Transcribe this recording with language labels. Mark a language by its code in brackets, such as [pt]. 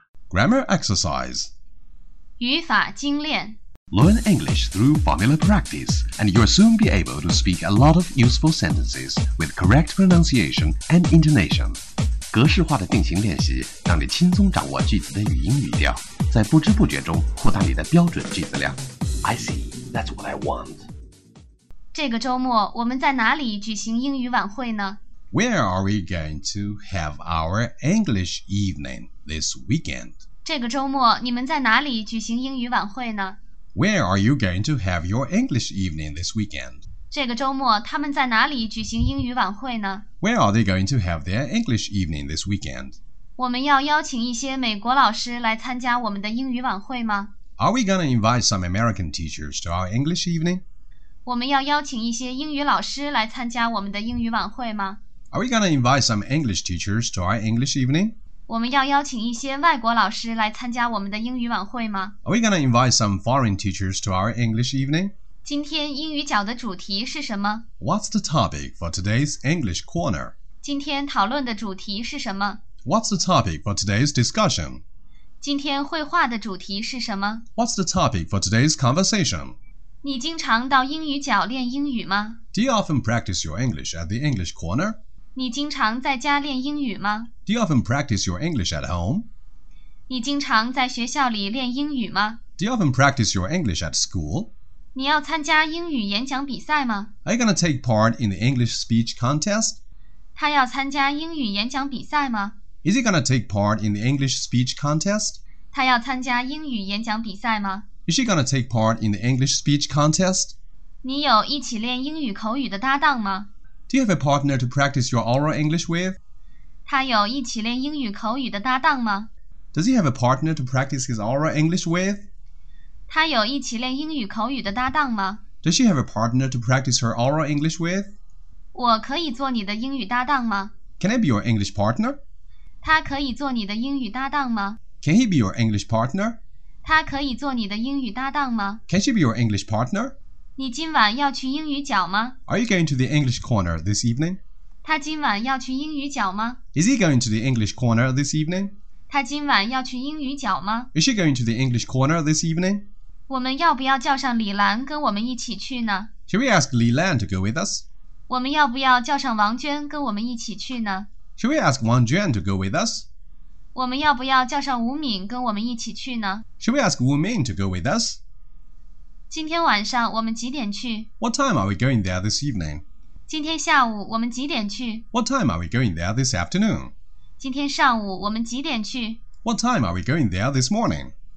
[en] Grammar exercise. [zh] 语法精炼 [en] Learn English through formula practice, and you'll soon be able to speak a lot of useful sentences with correct pronunciation and intonation. [zh] 格式化的定型练习让你轻松掌握句子的语音语调在不知不觉中扩大你的标准句子量 [en] I see, that's what I want [zh] 这个周末我们在哪里举行英语晚会呢 [en] Where are we going to have our English evening this weekend? [zh] 这个周末你们在哪里举行英语晚会呢？ [en] Where are you going to have your English evening this weekend? [zh] 这个周末他们在哪里举行英语晚会呢？ [en] Where are they going to have their English evening this weekend? [zh] 我们要邀请一些美国老师来参加我们的英语晚会吗？ [en] Are we going to invite some American teachers to our English evening? [zh] 我们要邀请一些英语老师来参加我们的英语晚会吗？ [en] Are we going to invite some English teachers to our English evening? [zh] 我们要邀请一些外国老师来参加我们的英语晚会吗？ [en] Are we going to invite some foreign teachers to our English evening? [zh] 今天英语角的主题是什么？ [en] What's the topic for today's English corner? [zh] 今天讨论的主题是什么？ [en] What's the topic for today's discussion? [zh] 今天绘画的主题是什么？ [en] What's the topic for today's conversation? [zh] 你经常到英语角练英语吗？ [en] Do you often practice your English at the English corner? [zh] 你经常在家练英语吗？ [en] Do you often practice your English at home? [zh] 你经常在学校里练英语吗？ [en] Do you often practice your English at school? [zh] 你要参加英语演讲比赛吗？ [en] Are you going to take part in the English speech contest? [zh] 他要参加英语演讲比赛吗？ [en] Is he going to take part in the English speech contest? [zh] 他要参加英语演讲比赛吗？ [en] Is she going to take part in the English speech contest? [zh] 你有一起练英语口语的搭档吗？ [en] Do you have a partner to practice your oral English with? [zh] 他有一起练英语口语的搭档吗？ [en] Does he have a partner to practice his oral English with? [zh] 他有一起练英语口语的搭档吗？ [en] Does she have a partner to practice her oral English with? [zh] 我可以做你的英语搭档吗？ [en] Can I be your English partner? [zh] 他可以做你的英语搭档吗？ [en] Can he be your English partner? [zh] 他可以做你的英语搭档吗？ [en] Can she be your English partner? [zh] 你今晚要去英语角吗？ [en] Are you going to the English corner this evening? [zh] 他今晚要去英语角吗？ [en] Is he going to the English corner this evening? [zh] 他今晚要去英语角吗？ [en] Is she going to the English corner this evening? [zh] 我们要不要叫上李兰跟我们一起去呢？ [en] Should we ask Li Lan to go with us? [zh] 我们要不要叫上王娟跟我们一起去呢？ [en] Should we ask Wang Juan to go with us? [zh] 我们要不要叫上吴敏跟我们一起去呢？ [en] Should we ask Wu Min to go with us? [zh] 今天晚上我们几点去？ [en] What time are we going there this evening? [zh] 今天下午我们几点去？ [en] What time are we going there this afternoon? [zh] 今天上午我们几点去？ [en] What time are we going there this morning?